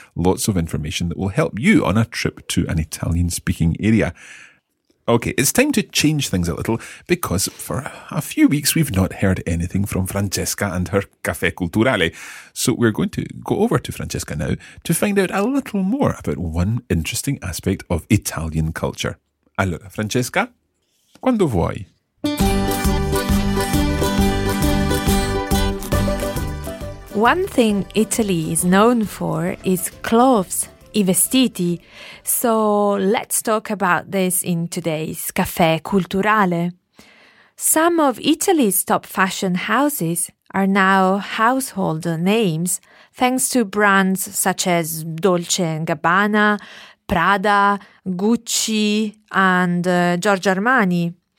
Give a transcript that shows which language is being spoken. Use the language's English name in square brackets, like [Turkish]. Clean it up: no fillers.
[English] Lots of information that will help you on a trip to an Italian speaking area. Okay, it's time to change things a little because for a few weeks we've not heard anything from Francesca and her Caffè Culturale. So we're going to go over to Francesca now to find out a little more about one interesting aspect of Italian culture. [Italian] Allora, Francesca, quando vuoi? [English] One thing Italy is known for is clothes, [Italian] I vestiti. [English] So let's talk about this in today's Caffè Culturale. Some of Italy's top fashion houses are now household names thanks to brands such as Dolce & Gabbana, Prada, Gucci and Giorgio Armani.